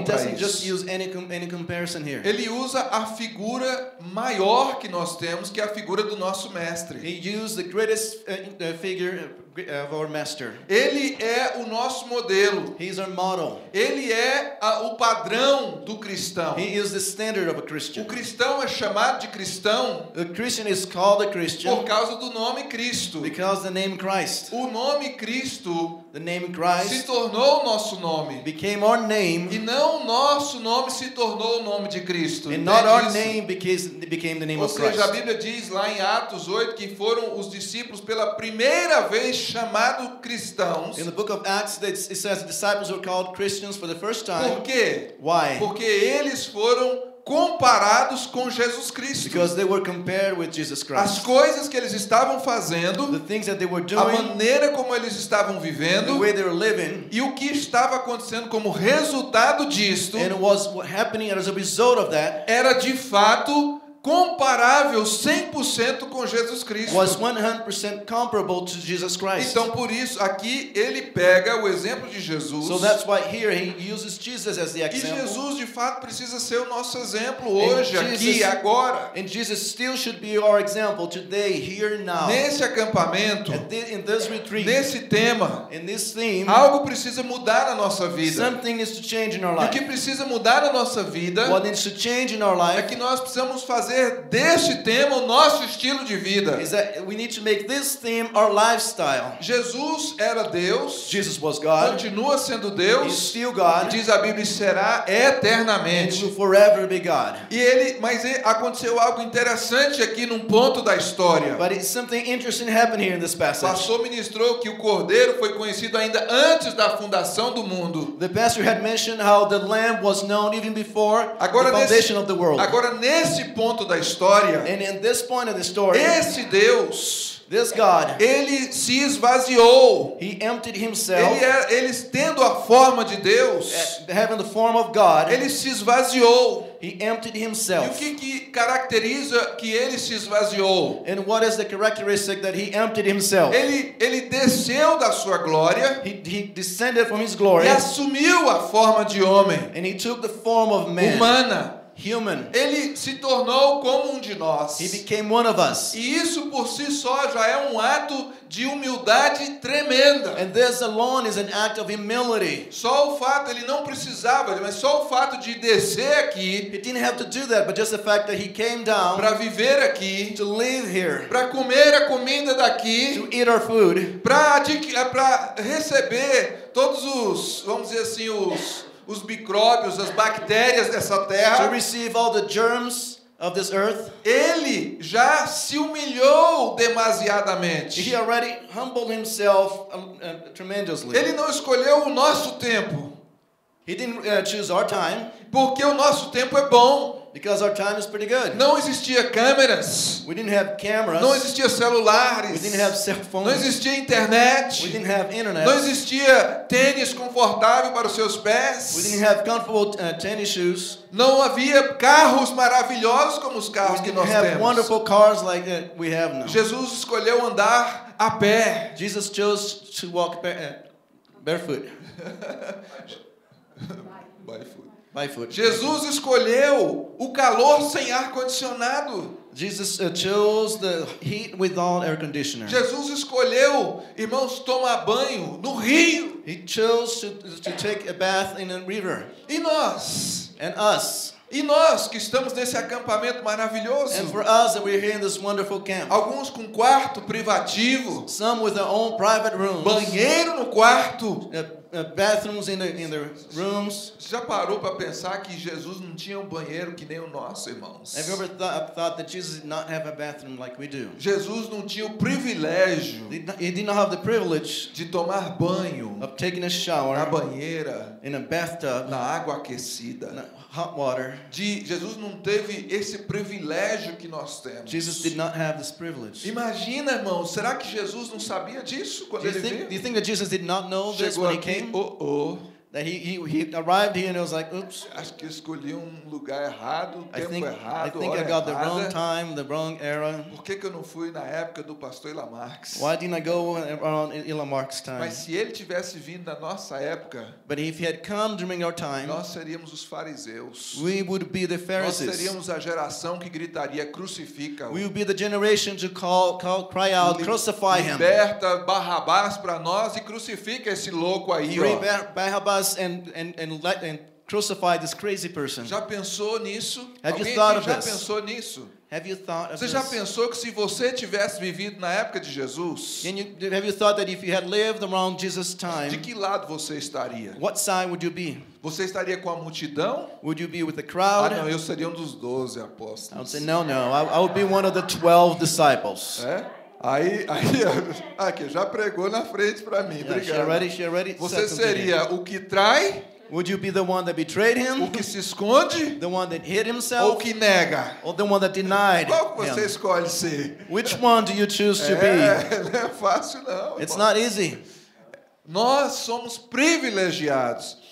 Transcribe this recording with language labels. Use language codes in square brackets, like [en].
[en] And he doesn't just use any comparison here. [pt] Ele usa a figura maior que nós temos, que é a figura do nosso mestre. [en] He uses the greatest figure of our master. [pt] Ele é o nosso modelo. [en] He is our model. [pt] Ele é o padrão do cristão. [en] He is the standard of a Christian. [pt] O cristão é chamado de cristão. [en] A Christian is called a Christian. [pt] Por causa do nome Cristo. [en] Because the name Christ. [pt] O nome Cristo. [en] The name Christ. [pt] Se tornou o nosso nome. [en] Became our name. [pt] E não o nosso nome se tornou o nome de Cristo. [en] And not our name became the name of Christ. [pt] Ou seja, a Bíblia diz lá em Atos 8 que foram os discípulos pela primeira vez chamado cristãos. [en] In the book of Acts, it says the disciples were called Christians for the first time. [pt] Por quê? [en] Why? [pt] Porque eles foram comparados com Jesus Cristo. [en] Because they were compared with Jesus Christ. [pt] As coisas que eles estavam fazendo, [en] the things that they were doing, [pt] a maneira como eles estavam vivendo, [en] the way they were living, [pt] e o que estava acontecendo como resultado disto, [en] and what was happening as a result of that, [pt] era de fato comparável 100% com Jesus Cristo. [en] Was 100% comparable to Jesus Christ. [pt] Então por isso aqui ele pega o exemplo de Jesus. [en] So that's why here he uses Jesus as the example. [pt] E Jesus de fato precisa ser o nosso exemplo hoje, Jesus, aqui e agora. [en] And Jesus still should be our example today, here and now. [pt] Nesse acampamento, [en] in this retreat, [pt] nesse tema, [en] in this theme, [pt] algo precisa mudar na nossa vida. [en] Something needs to change in our life. [pt] O que precisa mudar na nossa vida? [en] What needs to change in our life? [pt] É que nós precisamos fazer deste tema o nosso estilo de vida. [en] Is that we need to make this theme our lifestyle. [pt] Jesus era Deus. [en] Jesus was God. [pt] Continua sendo Deus. [en] He's still God. [pt] Diz a Bíblia, será eternamente. [en] And will forever be God. [pt] E ele, mas aconteceu algo interessante aqui num ponto da história. [en] But something interesting happened here in this passage. [pt] O pastor ministrou que o Cordeiro foi conhecido ainda antes da fundação do mundo. [en] The pastor had mentioned how the Lamb was known even before [pt] agora [en] the foundation of the world. [pt] Agora nesse ponto da história, [en] and in this point of the story, [pt] esse Deus, [en] this God, [pt] ele se esvaziou. [en] He emptied himself. [pt] Ele tendo a forma de Deus, [en] having the form of God, [pt] ele se esvaziou. [en] He emptied himself. [pt] E o que caracteriza que ele se esvaziou? [en] And what is the characteristic that he emptied himself? [pt] Ele desceu da sua glória. [en] He descended from his glory. [pt] E assumiu a forma de homem. [en] And he took the form of man. [pt] Humana. [en] Human. [pt] Ele se tornou como um de nós. [en] He became one of us. [pt] E isso por si só já é um ato de humildade tremenda. [en] And this alone is an act of humility. [pt] Só o fato, ele não precisava, mas só o fato de descer aqui. [en] He didn't have to do that, but just the fact that he came down. [pt] Para viver aqui. [en] To live here. [pt] Para comer a comida daqui. [en] To eat our food. [pt] Para receber todos os, vamos dizer assim, os micróbios, as bactérias dessa terra. [en] To receive all the germs of this earth. [pt] Ele já se humilhou demasiadamente. [en] He already humbled himself tremendously. [pt] Ele não escolheu o nosso tempo. [en] He didn't choose our time. [pt] Porque o nosso tempo é bom. [en] Because our time is pretty good. [pt] Não existia câmeras. [en] We didn't have cameras. [pt] Não existia celulares. [en] We didn't have cell phones. [pt] Não existia internet. [en] We didn't have internet. [pt] Não existia tênis confortável para os seus pés. [en] We didn't have comfortable tennis shoes. [pt] Não havia carros maravilhosos como os carros que nós temos. [en] We didn't have wonderful cars like that we have now. [pt] Jesus escolheu andar a pé. [en] Jesus chose to walk barefoot. Barefoot. [pt] Jesus escolheu o calor sem ar condicionado. [en] Jesus chose the heat without air conditioner. [pt] Jesus escolheu, irmãos, tomar banho no rio. [en] He chose to take a bath in a river. [pt] E nós? [en] And us? [pt] E nós que estamos nesse acampamento maravilhoso? [en] And for us that we're here in this wonderful camp. [pt] Alguns com quarto privativo. [en] Some with their own private rooms. [pt] Banheiro no quarto. [en] Bathrooms in the rooms. [pt] Você já parou para pensar que Jesus não tinha um banheiro que nem o nosso, irmãos? [en] Have you ever thought that Jesus did not have a bathroom like we do? [pt] Jesus não tinha o privilégio. [en] He did not have the privilege [pt] de tomar banho. [en] Of taking a shower. [pt] Na banheira. [en] In a bathtub. [pt] Na água aquecida. [en] Hot water. [pt] Jesus não teve esse privilégio que nós temos. [en] Jesus did not have this privilege. [pt] Imagina, irmão, será que Jesus não sabia disso quando ele veio? [en] Do you think that Jesus did not know this [pt] chegou [en] when [pt] aqui, [en] he came? Oh. That he arrived here and it was like, oops. [pt] Acho que escolhi lugar errado, tempo errado, [en] I think I got the wrong time, the wrong era. [pt] Por que eu não fui na época do pastor Ilan Marx? [en] Why didn't I go around Ilan Marx's time? [pt] Mas se ele tivesse vindo na nossa época, [en] but if he had come during our time, [pt] nós seríamos os fariseus. [en] We would be the Pharisees. [pt] Nós seríamos a geração que gritaria crucifica. [en] We would be the generation to call cry out crucify him. [pt] Liberta Barrabás para nós e crucifica esse louco aí, ó. [en] And crucify this crazy person. [pt] Já pensou nisso? [en] Have you thought of this? [pt] Já pensou nisso? [en] Have you thought of [pt] Você já pensou que se você tivesse vivido na época de Jesus? [en] Have you thought that if you had lived around Jesus' time? [pt] De que lado você estaria? [en] What side would you be? [pt] Você estaria com a multidão? [en] Would you be with the crowd? [pt] Ah, não, eu seria um dos 12 apóstolos. [en] I would say no. I would be one of the 12 disciples. [pt] É? Aí, aqui, já pregou na frente para mim. Obrigado. [en] Yeah, she already [pt] você seria o que trai? [en] Would you be the one that betrayed him? [pt] O que se esconde? [en] The one that hid himself? [pt] Ou o que nega? [en] Or the one that denied? [pt] Qual você escolhe ser? [en] Which one do you choose to be? [pt] Não é fácil, não. [en] It's not easy. [pt] Nós somos privilegiados.